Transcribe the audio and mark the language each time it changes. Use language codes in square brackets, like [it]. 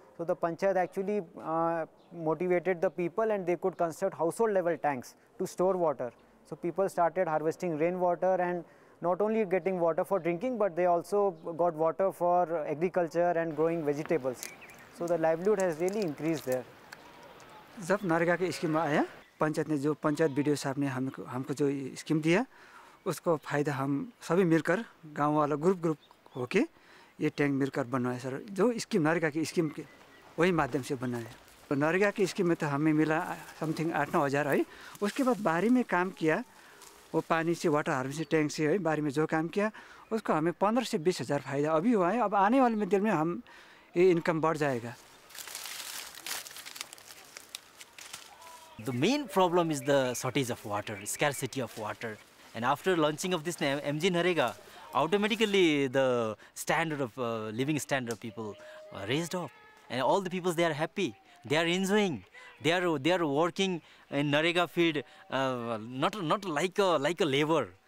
[en] So the panchayat actually motivated the people, and they could construct household-level tanks to store water. So people started harvesting rainwater, and not only getting water for drinking, but they also got water for agriculture and growing vegetables. So the livelihood has really increased there. [hi] जब नरेगा के scheme आया, पंचायत ने जो panchayat video साहब ने हमको जो scheme दिया, उसको फायदा हम सभी मिलकर गांव वाला ग्रुप ओके ये टैंक मिलकर बनवाए सर, जो स्कीम नरेगा की स्कीम के वही माध्यम से बनाए। तो नरेगा की स्कीम में तो हमें मिला समथिंग 8-9 हज़ार है। उसके बाद बारी में काम किया, वो पानी से वाटर हार्वेस्टिंग टैंक से है, बारी में जो काम किया उसको हमें 15 से 20 हज़ार फायदा अभी हुआ है, अब आने वाले में दिन में हम ये इनकम बढ़ जाएगा. [en] The main problem is the shortage of water, scarcity of water. And after launching of this name, MG Narega, automatically the standard of living standard of people raised up. And all the people, they are happy. They are enjoying. They are working in Narega field, not like a labor.